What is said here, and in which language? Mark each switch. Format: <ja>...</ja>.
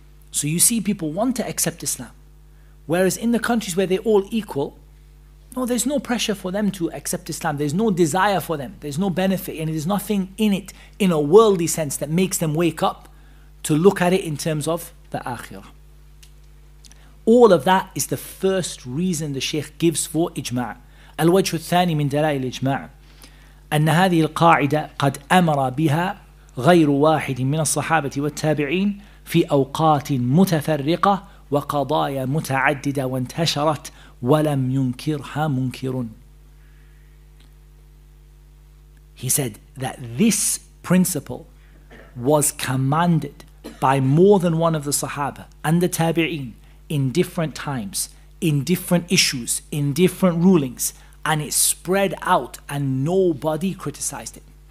<en>So you see people want to accept Islam. Whereas in the countries where they're all equal, no, there's no pressure for them to accept Islam. There's no desire for them. There's no benefit. And there's nothing in it, in a worldly sense, that makes them wake up to look at it in terms of the Akhirah. All of that is the first reason the Shaykh gives for Ijma'.</en> <ar>Al-Wajhu Thani min Dala'il Ijma'. أن هذه القاعدة قد أمر بها غير واحد من الصحابة والتابعين في أوقات متفرقة وقضايا متعددة وانتشرت ولم ينكرها منكر.</ar> <en>He said that this principle was commanded by more than one of the Sahaba and the Tabi'een in different times, in different issues, in different rulings. And it spread out and nobody criticized it.</en>